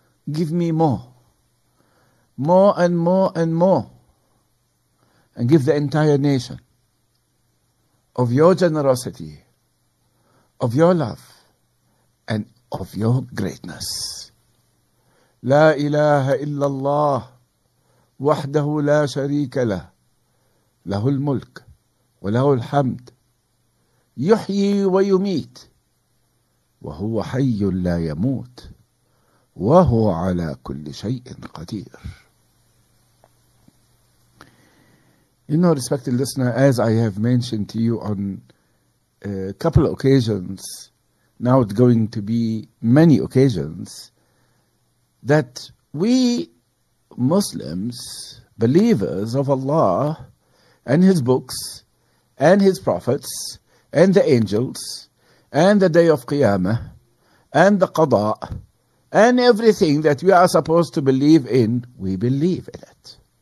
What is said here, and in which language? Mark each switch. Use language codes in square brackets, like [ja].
[en] Give me more, more and more and more, and give the entire nation of Your generosity, of Your love, and of Your greatness. [ar] لا إله إلا الله وحده لا شريك له له الملك وله الحمد يحيي ويميت وهو حي لا يموت وهو على كل شيء قدير. [en] You know, respected listener, as I have mentioned to you on a couple of occasions, now it's going to be many occasions, that we Muslims, believers of Allah and His books and His prophets and the angels and the day of Qiyamah and the Qadha and everything that we are supposed to believe in, we believe in it.